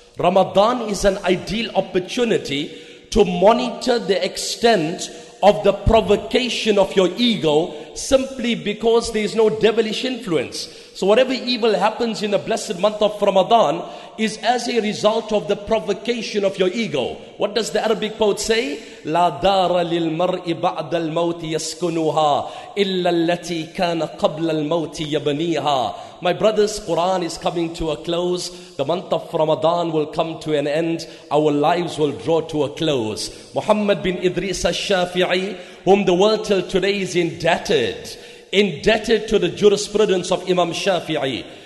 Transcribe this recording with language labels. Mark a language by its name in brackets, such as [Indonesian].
[English] Ramadan is an ideal opportunity to monitor the extent of the provocation of your ego, simply because there is no devilish influence. So whatever evil happens in the blessed month of Ramadan is as a result of the provocation of your ego. What does the Arabic poet say? [Arabic] لا دار للمرء بعد الموت يسكنها إلا التي كان قبل الموت يبنيها. [English] My brothers, Quran is coming to a close. The month of Ramadan will come to an end. Our lives will draw to a close. Muhammad bin Idris al-Shafi'i, whom the world till today is indebted to the jurisprudence of Imam Shafi'i.